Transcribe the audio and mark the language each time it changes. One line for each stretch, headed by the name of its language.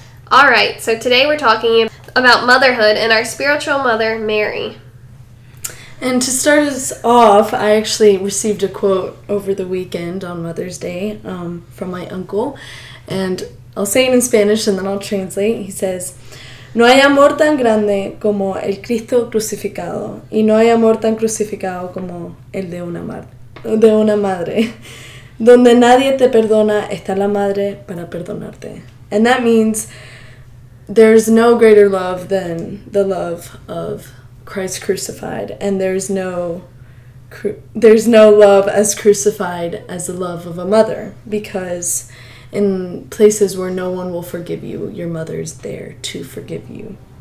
English: All right, so today we're talking about motherhood and our spiritual mother, Mary. And to start us off, I actually received a quote over the weekend on Mother's Day from my uncle. And I'll say it in Spanish and then I'll translate.
Spanish: He says, "No hay amor tan grande como el Cristo crucificado, y no hay amor tan crucificado como el de una madre. Donde nadie te perdona, está la madre para perdonarte."
English: And that means there's no greater love than the love of Christ crucified, and there's no love as crucified as the love of a mother, because in places where no one will forgive you, your mother's there to forgive you.